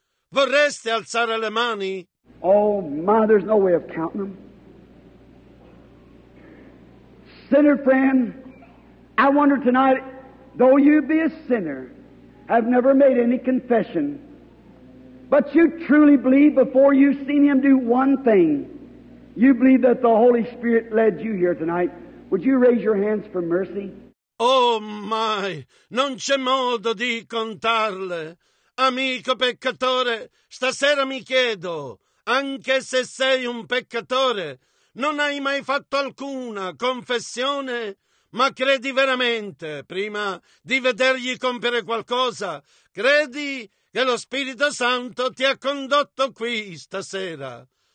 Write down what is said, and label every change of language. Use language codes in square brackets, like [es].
[it] Vorreste alzare le mani? [en] Oh, ma, there's no way of counting them. Sinner friend, I wonder tonight, though you be a sinner, have never made any confession, but you truly believe before you've seen Him do one thing, you believe that the Holy Spirit led you here tonight. Would you raise your hands for mercy? Oh, my, [it] non c'è modo di contarle. Amico peccatore, stasera mi chiedo, anche se sei un peccatore, non hai mai fatto alcuna confessione? Ma credi veramente, prima di vedergli compiere qualcosa, credi che lo Spirito Santo ti ha condotto qui stasera?